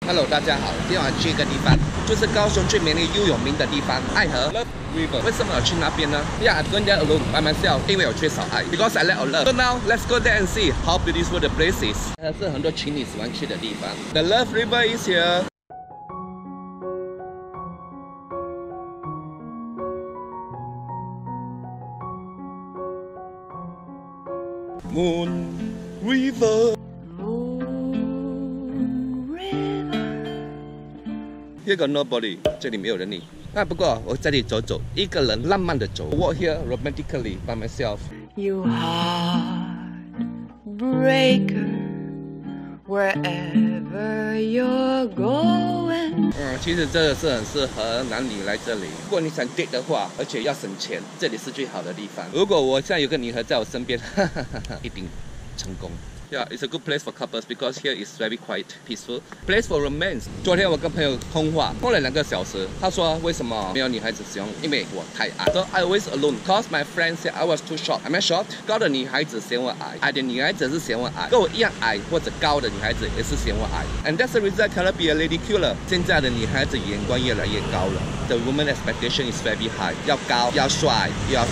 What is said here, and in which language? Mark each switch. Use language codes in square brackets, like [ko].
[zh] Hello， 大家好，今天我要去一个地方，就是高雄最美丽又有名的地方爱河 [en] Love River。 [zh] 为什么要去那边呢？ [en] Yeah， I'm going there alone by myself， [zh] 因为我缺少爱， [en] because I lack of love。 So now let's go there and see how beautiful the place is。 [zh] 这是很多情侣喜欢去的地方， [en] The Love River is here。 Moon River， Moon River， [zh] 这个 nobody， 这里没有人呢。那不过我在这里走走，一个人浪漫的走。 [en] Walk here romantically by myself。 You heartbreaker， wherever you're going。 [zh] 其实这个是很适合男女来这里，如果你想 date 的话，而且要省钱，这里是最好的地方。如果我现在有个女孩在我身边，哈哈哈，一定成功。 [en] Yeah， it's a good place for couples because here is very quiet peaceful place for romance。 [zh] 昨天我跟朋友通话通了两个小时，他说为什么没有女孩子喜欢，因为我太矮。 [en] So I was alone because my friend said I was too short。 Am I short？ [zh] 高的女孩子嫌我矮，矮的女孩子是嫌我矮，跟我一样矮或者高的女孩子也是嫌我矮。 [en] And that's the reason I cannot be a lady killer。 [zh] 现在的女孩子眼光越来越高了， [en] The woman expectation is very high， [zh] 要高，要帅，要。